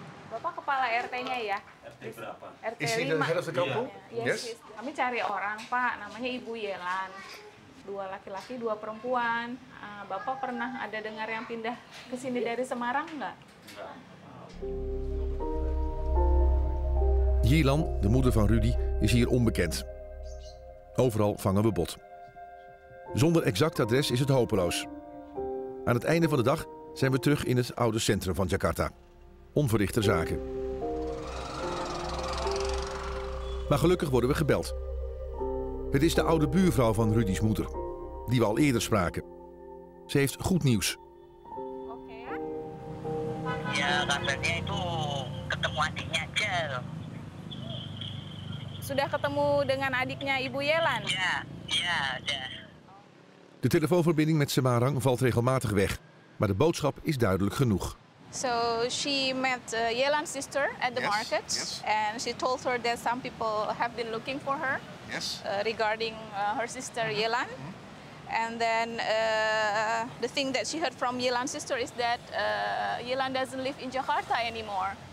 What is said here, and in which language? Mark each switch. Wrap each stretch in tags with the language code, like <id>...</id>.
<id>Bapak kepala RT-nya ya? RT berapa? RT 5.</id> <en>Is he the head of the couple? Yeah.</en> <id>Yes. Yes. Kami cari orang, Pak. Namanya Ibu Yelan. Dua laki-laki, dua perempuan. Bapak pernah ada dengar yang pindah ke sini dari Semarang enggak? Enggak.</id> <nl>Yelan, de moeder van Rudy, is hier onbekend. Overal vangen we bot. Zonder exact adres is het hopeloos. Aan het einde van de dag zijn we terug in het oude centrum van Jakarta. Onverrichte zaken. Maar gelukkig worden we gebeld. Het is de oude buurvrouw van Rudy's moeder, die we al eerder spraken. Ze heeft goed nieuws. Okay.</nl> <id>Ya, rasanya itu ketemu adiknya aja. Sudah ketemu dengan adiknya Ibu Yelan?</id> <nl>Ja, ja, ja. De telefoonverbinding met Semarang valt regelmatig weg, maar de boodschap is duidelijk genoeg.</nl> <en>So she met Yelan's sister at the yes, market, yes. And she told her that some people have been looking for her, yes. Regarding her sister mm-hmm. Yelan. Mm-hmm. And then the thing that she heard from Yelan's sister is that Yelan doesn't live in Jakarta anymore.</en>